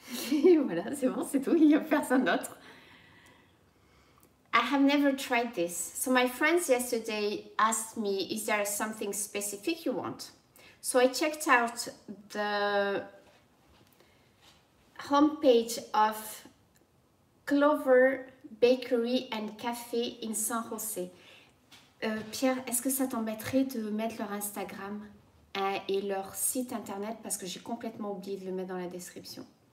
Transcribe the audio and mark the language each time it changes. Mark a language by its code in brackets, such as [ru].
[fr] Voilà, c'est bon, c'est tout, il n'y a personne d'autre. [en] I have never tried this. So my friends yesterday asked me, is there something specific you want? So I checked out the homepage of Clover Bakery and Cafe in San Jose. [fr] Pierre, est-ce que ça t'embêterait de mettre leur Instagram et leur site internet parce que j'ai complètement oublié de le mettre dans la description.